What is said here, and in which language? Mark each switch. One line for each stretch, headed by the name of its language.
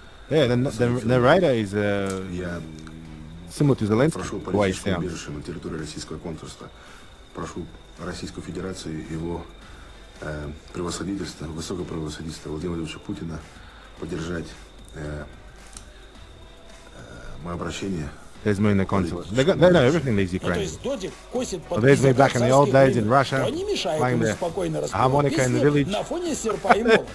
English: Yeah, the narrator is similar to Zelensky, the way he sounds.
Russian: Прошу Российскую Федерацию и его превосходительство, высокое превосходительство Владимира Владимировича Путина поддержать мое обращение.
English: There's me in the consulate. They know everything, these Ukrainians. But there's me back in the old days in Russia, playing the harmonica in the village.